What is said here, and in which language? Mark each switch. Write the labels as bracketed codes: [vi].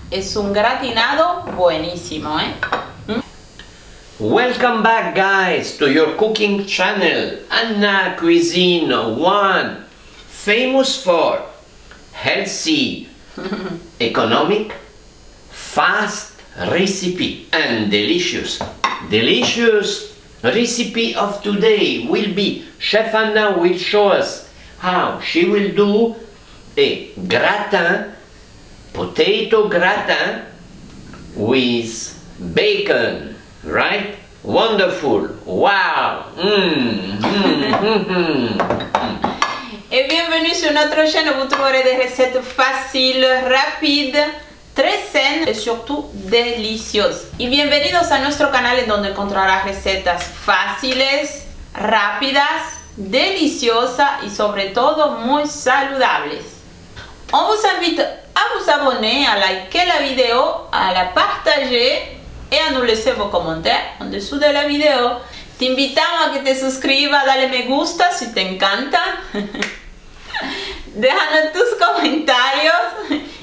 [es] Es un gratinado buenísimo, ¿eh? [en] Welcome back, guys, to your cooking channel, Anna Cuisine One, famous for healthy, economic, fast recipe and delicious, delicious. Recipe of today will be Chef Anna will show us how she will do a gratin, potato gratin with bacon, right? Wonderful! Wow! [fr] Et bienvenue sur notre chaîne, vous trouverez des recettes faciles, rapides, très saines et surtout délicieuses. [es] Et bienvenidos a nuestro canal en donde encontrarás [fr] recettes faciles, rapides, [es] deliciosas et sobre todo muy saludables. [fr] On vous invite à vous abonner, à liker la vidéo, à la partager et à nous laisser vos commentaires en dessous de la vidéo. [es] T'invitamos a que te suscribas, dale me gusta si te encanta. Déjanos tus comentarios.